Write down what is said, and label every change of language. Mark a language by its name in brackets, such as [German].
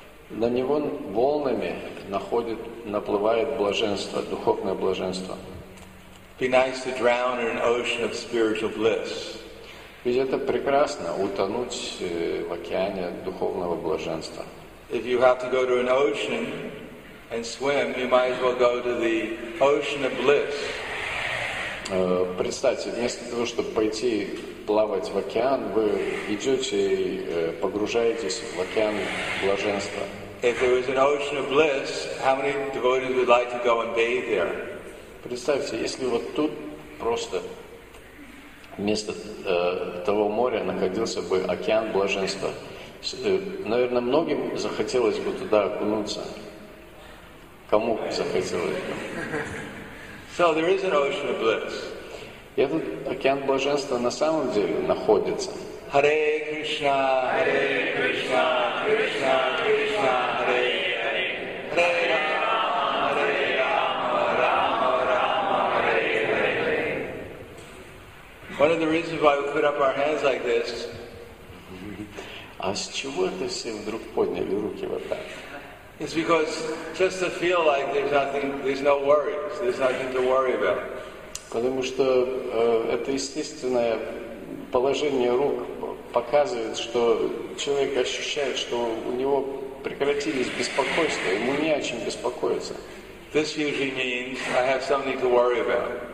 [Russian] На него волнами наплывает блаженство, духовное блаженство. [English] Be nice to drown in an ocean of spiritual bliss. [Russian] Ведь это прекрасно, утонуть в океане духовного блаженства. [English] If you have to go to an ocean and swim, you might as well go to the ocean of bliss. [Russian] Представьте, вместо того, чтобы пойти плавать в океан, вы идете и погружаетесь в океан блаженства. [English] If there was an ocean of bliss, how many devotees would like to go and bathe there? [Russian] Представьте, если вот тут просто вместо того моря находился бы океан блаженства, наверное, многим захотелось бы туда окунуться. Кому бы захотелось бы? [English] So there is an ocean of bliss. [Russian] И этот океан блаженства на самом деле находится. [Sanskrit] Hare Krishna, Hare Krishna, Krishna Krishna, Hare Hare. [English] One of the reasons why we put up our hands like this. [Russian] А с чего это все вдруг подняли руки вот так? [English] It's because just to feel like there's nothing, there's no worries, there's nothing to worry about. [Russian] Потому что это естественное положение рук показывает, что человек ощущает, что у него прекратились беспокойства, ему не о чем беспокоиться. [English] This usually means I have something to worry about.